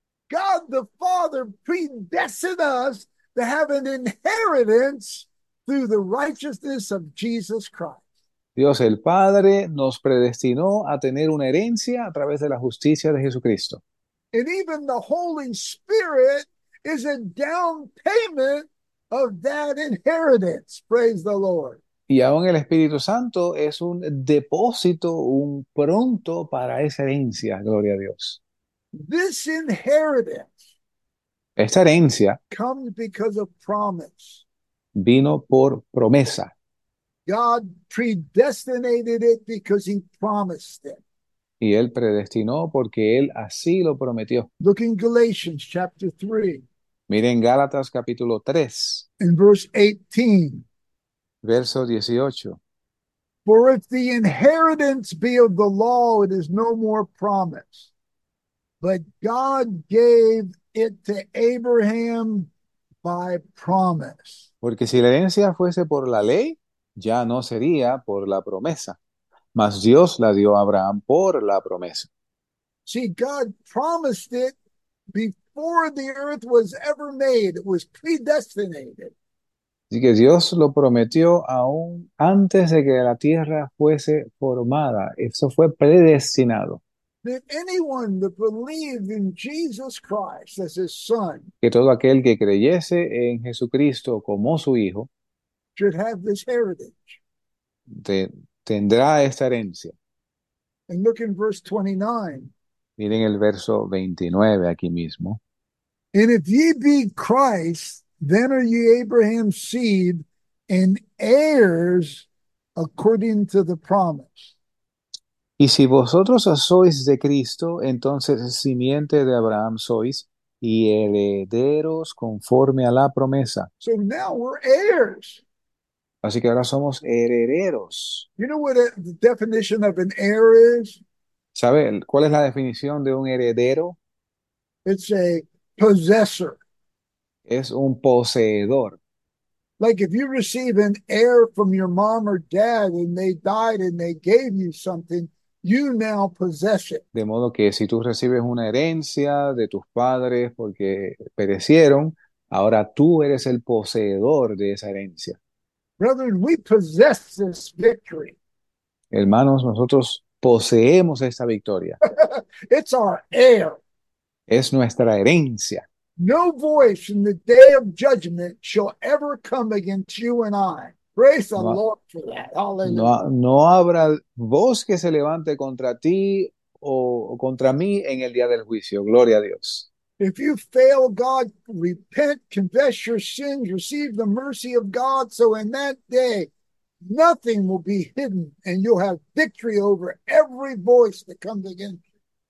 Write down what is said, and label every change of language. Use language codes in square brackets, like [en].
[en] God the Father predestined us to have an inheritance through the righteousness of Jesus Christ. [es] Dios el Padre nos predestinó a tener una herencia a través de la justicia de Jesucristo. [en] And even the Holy Spirit is a down payment of that inheritance. Praise the Lord. [es] Y aún el Espíritu Santo es un depósito, un pronto para esa herencia, gloria a Dios. [en] This inheritance [es] Esta herencia [en] comes because of promise. [es] Vino por promesa. [en] God predestinated it because he promised it. [es] Y él predestinó porque él así lo prometió. [en] Look in Galatians chapter 3, [es] Miren Gálatas capítulo 3, [en] in verse 18. [es] verso 18. [en] For if the inheritance be of the law, it is no more promise. But God gave it to Abraham by promise. [es] Porque si la herencia fuese por la ley, ya no sería por la promesa. Mas Dios la dio a Abraham por la promesa. [en] See, God promised it before the earth was ever made. It was predestinated. [es] Así que Dios lo prometió aún antes de que la tierra fuese formada. Eso fue predestinado. [en] That anyone that believed in Jesus Christ as his son [es] Que todo aquel que creyese en Jesucristo como su hijo [en] should have this heritage. [es] tendrá esta herencia. [en] And look in verse 29. [es] Miren el verso 29 aquí mismo. [en] And if ye be Christ, then are ye Abraham's seed and heirs according to the promise. [es] Y si vosotros sois de Cristo, entonces simiente de Abraham sois y herederos conforme a la promesa. [en] So now we're heirs. [es] Así que ahora somos herederos. [en] You know what the definition of an heir is? [es] ¿Sabe cuál es la definición de un heredero? [en] It's a possessor. [es] Es un poseedor. [en] Like if you receive an heir from your mom or dad and they died and they gave you something, you now possess it. [es] De modo que si tú recibes una herencia de tus padres porque perecieron, ahora tú eres el poseedor de esa herencia. [en] Brethren, we possess this victory. [es] Hermanos, nosotros poseemos esta victoria. [en] It's our heir. [es] Es nuestra herencia. [en] No voice in the day of judgment shall ever come against you and I. Praise the [es] No, [en] Lord for that. Hallelujah. [es] no, no habrá voz que se levante contra ti o contra mí en el día del juicio. Gloria a Dios. [en] If you fail God, repent, confess your sins, receive the mercy of God, so in that day nothing will be hidden and you'll have victory over every voice that comes against you.